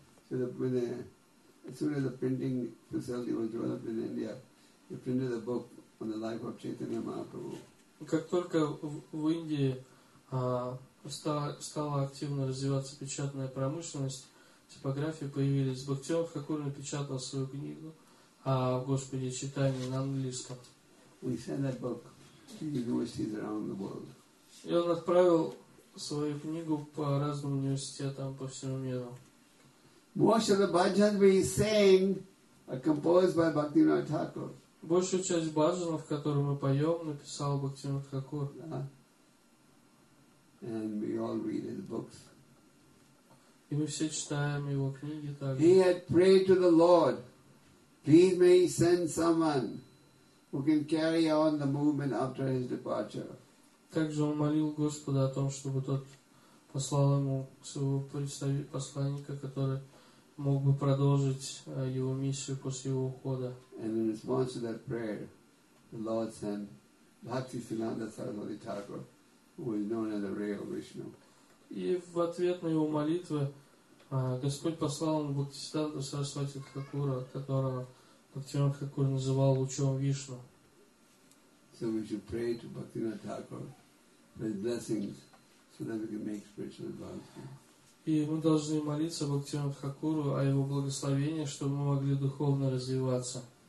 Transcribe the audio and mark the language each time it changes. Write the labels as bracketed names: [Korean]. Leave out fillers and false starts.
[English] As soon as the printing facility was developed in India, they printed the book on the life of Chaitanya Mahaprabhu. [Russian] Как только в Индии стала активно развиваться печатная промышленность, типографии появились. Бхактивинода Тхакур напечатал свою книгу о Господе Чайтанье на английском. [English] We send that book to universities around the world. [Russian] И он отправил свою книгу по разным университетам по всему миру. [English] Most of the bhajans we sang are composed by Bhaktivinoda Thakur. [Russian] Большую часть бхаджанов, которые мы поем, написал Бхактивинода Тхакур. [English] And we all read his books. [Russian] И мы все читаем его книги также. [English] He had prayed to the Lord, please may he send someone who can carry on the movement after his departure. [Russian] Также он молил Господа о том, чтобы тот послал ему своего посланника, который мог бы продолжить его миссию после его ухода. [English] And in response to that prayer, the Lord sent Bhaktisiddhanta Saraswati Thakur, who is known as the Ray of Vishnu. [Russian] И в ответ на его молитвы Господь послал ему Бхактисиддханта Сарасвати Тхакура, которого Бхактисиддханта Тхакур называл лучом Вишну. [English] So we should pray to Bhaktisiddhanta Thakur for his blessings so that we can make spiritual advancement. [Russian] И мы должны молиться Бхактисиддханта Тхакуру о его благословении, чтобы мы могли духовно развиваться.